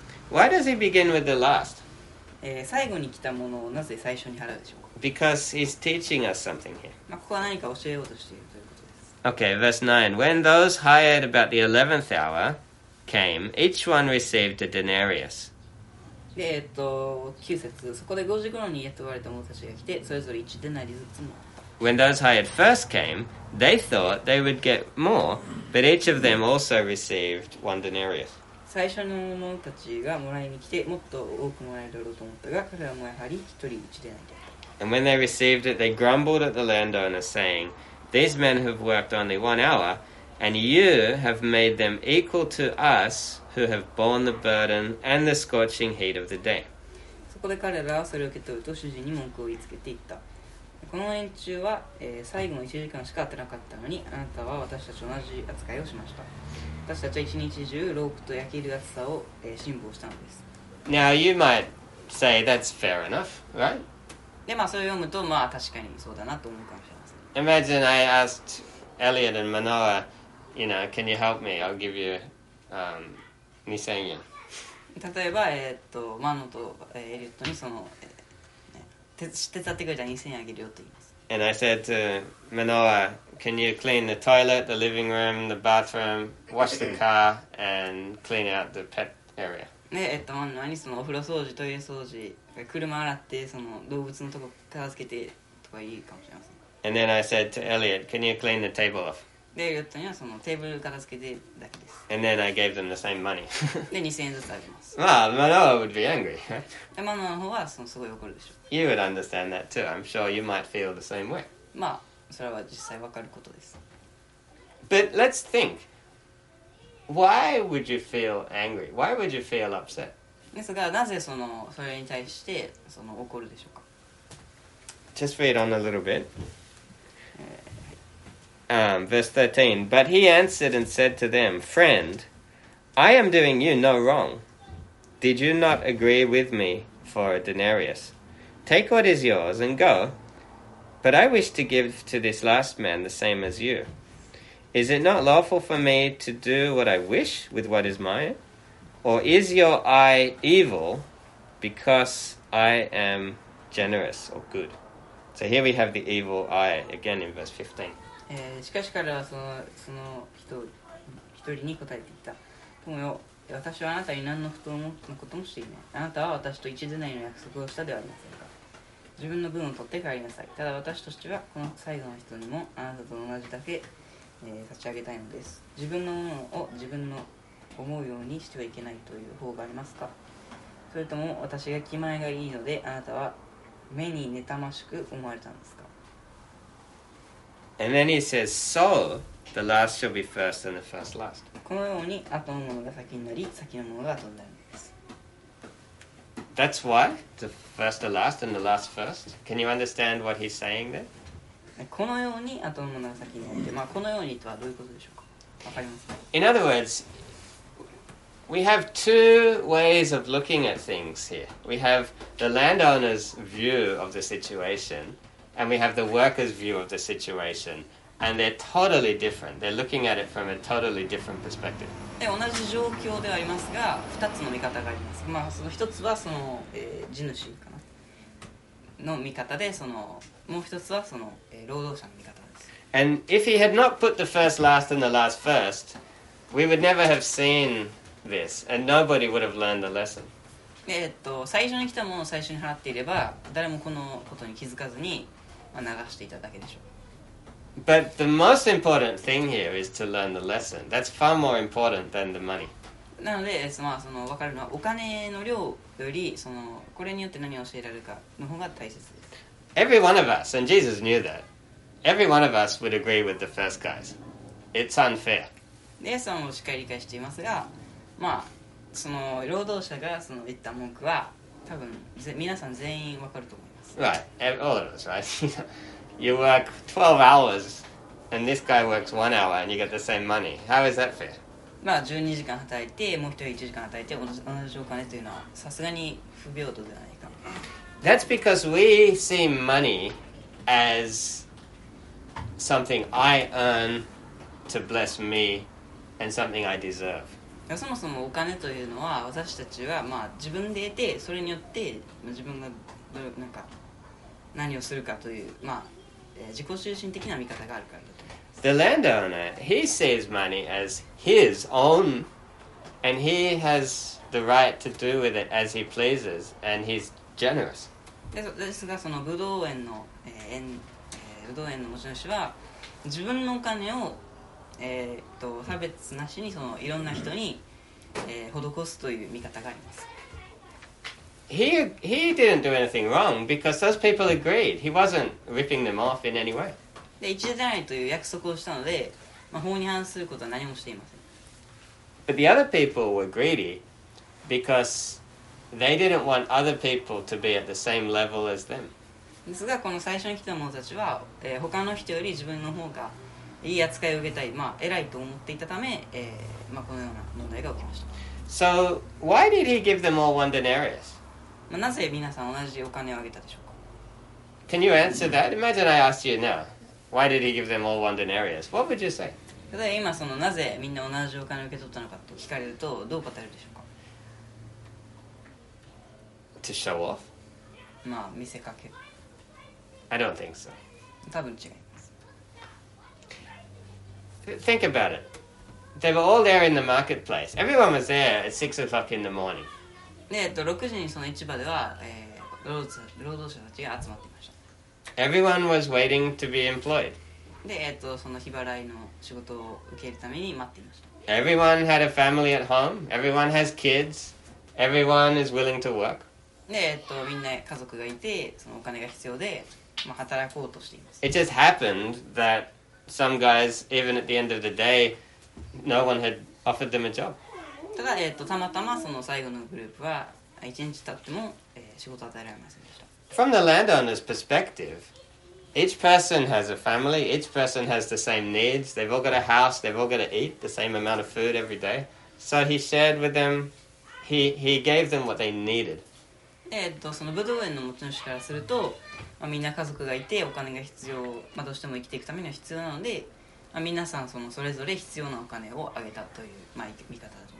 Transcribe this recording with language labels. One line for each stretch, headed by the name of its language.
English: Why does he begin with the last?
Japanese: 最後に来たものをなぜ最初に払うでしょうか?
English: Because he's teaching us something here.
Japanese: まあ、ここは何か教えようとしているということです。
English: Okay, verse 9. When those hired about the 11th hour came, each one received a denarius.
Japanese: 9節。そこで5時頃に雇われた者たちが来て、それぞれ1デナリずつもらった。
English: When those hired first came, they thought they would get more, but each of them also received one denarius.
Japanese: 最初の者たちがもらいに来て、もっと多くもらえるだろうと思ったが、彼らもやはり一人一でないで。
English: And when they received it, they grumbled at the landowner, saying, These men have worked only 1 hour, and you have made them equal to us who have borne the burden and the scorching heat of the day.
Japanese: そこで彼らはそれを受け取ると主人に文句を言いつけていった。この連中は、最後の1時間しか当てなかったのに、あなたは私たち同じ扱いをしました。私たちは一日中、ロープと焼ける暑さを、辛抱したのです。
English: Now you might say that's fair enough, right?
Japanese: で、まあそれを読むと、まあ確かにそうだなと思うかもしれません。
English: Imagine I asked Elliot and Manoa, you know, can you help me? I'll give you, 2000 yen.
Japanese: 例えば、マノと、エリオットにその、手伝ってくれたら2000円あげるよと言います。
English: And I said to Manoa, can you clean the toilet, the living room, the bathroom, wash the car, and clean out the pet area?
Japanese: で、マノアにそのお風呂掃除、トイレ掃除、車洗って、その動物のとこ片付けてとかいいかもしれません。
English: And then I said to Elliot, can you clean the table off?
Japanese: で、エリオットにはそのテーブル片付けてだけです。
English: And then I gave them the same money.
Japanese: で、2000円ずつあげます。
English: Well, Manoa would be angry, right?
Japanese: Manoa の方はそのすごい怒るでしょう。
English: You would understand that too. I'm sure you might feel the same way.
Japanese: まあ、それは実際わかることです。
English: But let's think. Why would you feel angry? Why would you feel upset?
Japanese: ですが、なぜそのそれに対してその怒るでしょうか?
English: Just read on a little bit. Verse 13. But he answered and said to them, Friend, I am doing you no wrong. Did you not agree with me for a denarius? Take what is yours and go. But I wish to give to this last man the same as you. Is it not lawful for me to do what I wish with what is mine? Or is your eye evil because I am generous or good? So here we have the evil eye again in verse 15.
Japanese: しかし彼はその人一人に答えていた。友よ。私はあなたに何の不当のこともしていない。あなたは私と一デナリの約束をしたではありませんか。自分の分を取って帰りなさい。ただ私としてはこの最後の人にもあなたと同じだけ、差し上げたいのです。自分のものを自分の思うようにしてはいけないという方がありますか。それとも私が気前がいいのであなたは目に妬ましく思われたんですか。
English: And then he says, So, the last shall be first and the first last.
Japanese: このように後のものが先になり、先のものが後になるんです。
English: That's why the first the last and the last first. Can you understand what he's saying there?
Japanese: このように後のものが先になって、まあこのようにとはどういうことでしょうか。わかりますか。
English: In other words, we have two ways of looking at things here. We have the landowner's view of the situation, and we have the worker's view of the situation. And they're totally different. They're looking at it from a totally different perspective.
Japanese: で、同じ状況ではありますが、2つの見方があります。まあ、その1つはその、地主かなの見方で、そのもう1つはその、労働者の見方です。
English: And if he had not put the first last and the last first, we would never have seen this, and nobody would have learned the lesson.
Japanese: 最初に来たものを最初に払っていれば、誰もこのことに気づかずに、まあ、流していただけでしょう。
English: But the most important thing here is to learn the lesson. That's far more important than the money.
Japanese: なので、まあ、その分かるのはお金の量よりそのこれによって何を教えられるかの方が大切です。
English: Every one of us, and Jesus knew that, every one of us would agree with the first guys. It's unfair.
Japanese: で、そのしっかり理解していますが、まあ、その労働者がその言った文句は多分皆さん全員分かると思います。
English: Right, all of us, right? You work 12 hours, and this guy works 1 hour, and you get the same money. How is that fair?
Japanese: まあ、12時間働いて、もう一人1時間働いて、同じお金というのは、さすがに不平等ではないか。
English: That's because we see money as something I earn to bless me, and something I deserve.
Japanese: そもそもお金というのは、私たちは、まあ、自分で得て、それによって、まあ、自分がどれなんか何をするかという、まあ、自己中心的な見方があるからだと思います。
English: The landowner, he sees money as his own, and he has the right to do with it as he pleases, and he's generous.
Japanese: ですが、そのブドウ園の、ブドウ園の持ち主は、自分のお金を、差別なしにそのいろんな人に、施すという見方があります。
English: He didn't do anything wrong because those people agreed. He wasn't ripping them off in any way.
Japanese: で、一時でないという約束をしたので、まあ、法に反することは何もしていません。
English: But the other people were greedy because they didn't want other people to be at the same level as them.
Japanese: ですが、この最初に来た者たちは、他の人より自分の方がいい扱いを受けたい、まあ、偉いと思っていたため、まあ、このような問題が起きました。
English: So why did he give them all one denarius?
Japanese: まあ、なぜ皆さん同じお金をあげたでしょうか?
English: Can you answer that? Imagine I asked you now. Why did he give them all one denarius? What would you say?
Japanese: ただ今そのなぜみんな同じお金を受け取ったのかと聞かれるとどう答えるでしょうか?
English: To show off?
Japanese: まあ見せかける。
English: I don't think so.
Japanese: 多分違います。
English: Think about it. They were all there in the marketplace. Everyone was there at 6 o'clock in the morning.
Japanese: で、6時にその市場では、労働者たちが集まっていました。
English: Everyone was waiting to be employed.
Japanese: で、その日払いの仕事を受けるために待っていました。
English: Everyone had a family at home. Everyone has kids. Everyone is willing to work.
Japanese: で、みんな家族がいて、そのお金が必要で、まあ、働こうとしています。
English: It just happened that some guys, even at the end of the day, no one had offered them a job.
Japanese: ただ、たまたまその最後のグループは1日経っても、仕事を与えられませんでした。
English: From the landowner's perspective, each person has a family, each person has the same needs, they've all got a house, they've all got to eat the same amount of food every day. So he shared with them, he gave them what they needed.
Japanese: そのブドウ園の持ち主からすると、まあ、みんな家族がいてお金が必要、まあ、どうしても生きていくためには必要なので、まあ、皆さん それぞれ必要なお金をあげたという、まあ、見方だと。